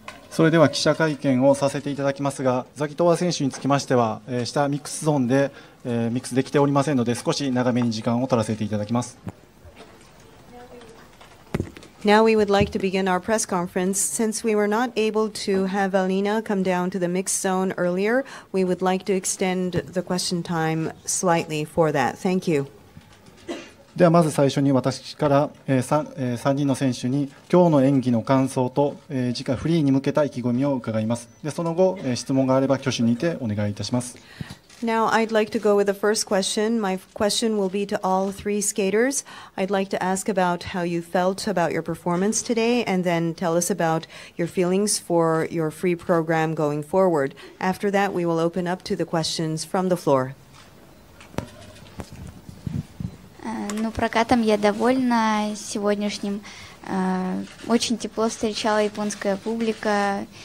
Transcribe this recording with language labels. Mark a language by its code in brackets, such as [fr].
[ja] それでは記者会見をさせていただきますが、ザギトワ選手につきましては下ミックスゾーンでミックスできておりませんので、少し長めに時間を取らせていただきます。 [en] Now we would like to begin our press conference. Since we were not able to have Alina come down to the mixed zone earlier, we would like to extend the question time slightly for that. Thank you. [ja] ではまず最初に私から3人の選手に今日の演技の感想と次回フリーに向けた意気込みを伺います。でその後質問があれば挙手にてお願いいたします。 [en] Now I'd like to go with the first question. My question will be to all three skaters. I'd like to ask about how you felt about your performance today and then tell us about your feelings for your free program going forward. After that we will open up to the questions from the floor. [ru] Ну, прокатом я довольна сегодняшним. Очень тепло встречала японская публика.